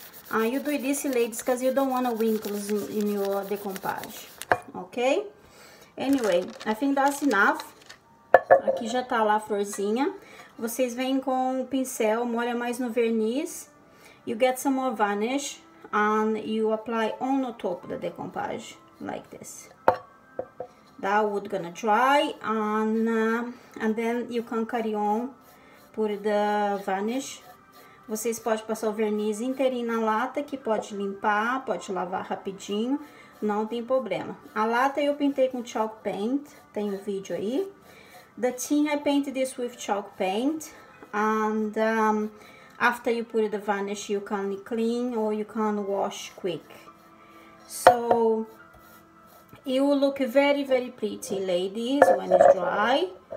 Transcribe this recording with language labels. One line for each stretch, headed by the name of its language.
English: Ah, you do this, ladies, because you don't want a wrinkles in your decompage, ok? Anyway, I think that's enough.
Portuguese: Aqui já tá lá a florzinha. Vocês vêm com o pincel, molha mais no verniz.
English: You get some more varnish and you apply on the top of the decompage, like this. That wood gonna dry and then you can carry on put the varnish.
Portuguese: Vocês podem passar o verniz inteirinho na lata, que pode limpar, pode lavar rapidinho. Não tem problema. A lata eu pintei com chalk paint, tem um vídeo aí.
English: The tin, I painted this with chalk paint, and after you put the varnish, you can clean or you can wash quick. So, it will look very, very pretty, ladies, when it's dry.